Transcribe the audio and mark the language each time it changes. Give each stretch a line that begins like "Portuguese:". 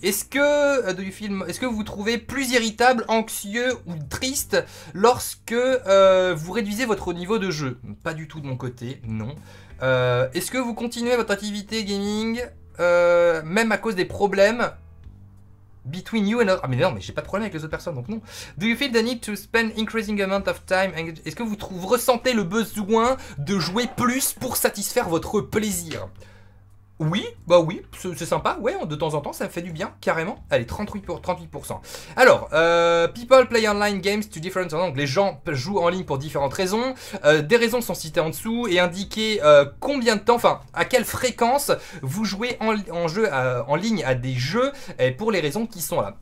French: Est-ce que vous trouvez plus irritable, anxieux ou triste lorsque vous réduisez votre niveau de jeu? Pas du tout de mon côté, non. Est-ce que vous continuez votre activité gaming même à cause des problèmes
English: between you and other...
French: Ah mais non, mais j'ai pas de problème avec les autres personnes, donc non.
English: Do you feel the need to spend increasing amount of time?
French: Est-ce que vous ressentez le besoin de jouer plus pour satisfaire votre plaisir? Oui, bah oui, c'est sympa, ouais, de temps en temps, ça me fait du bien, carrément. Allez, 38%. Alors,
English: people play online games to different...
French: Donc, les gens jouent en ligne pour différentes raisons. Des raisons sont citées en dessous et indiquées combien de temps, enfin, à quelle fréquence vous jouez en ligne à des jeux et pour les raisons qui sont là.